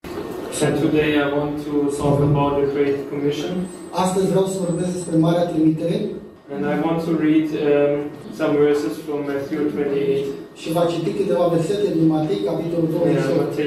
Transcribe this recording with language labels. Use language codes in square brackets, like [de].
[en] And today I want to talk about the Great Commission. [ro] Astăzi vreau să vorbesc despre Marea Trimitere. [en] And I want to read some verses from Matthew 28. [ro] Și va citi câteva versete din Matei, capitolul 28.